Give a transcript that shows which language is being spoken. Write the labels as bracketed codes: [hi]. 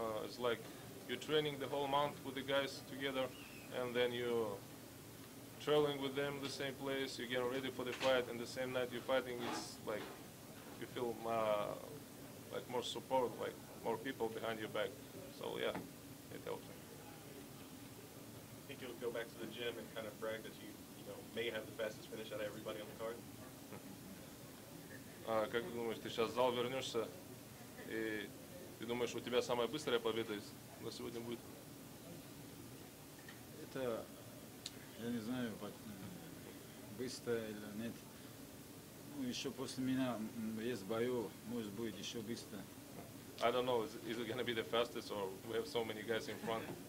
[en] It's like you're training the whole month with the guys together, and then you're traveling with them the same place, you get ready for the fight, and the same night you're fighting, it's like you feel like more support, like more people behind your back. So yeah, it helps. Think you'll go back to the gym and kind of brag that you know may have the fastest finish out of everybody on the card? [ru] Как ты думаешь, ты сейчас в зал вернешься и ты думаешь, у тебя самая быстрая победа на сегодня будет? Это я не знаю, быстрая или нет. Ну, еще после меня есть бою, может быть еще быстрая. [en] I don't know, is it gonna be the fastest or we have so many guys in front?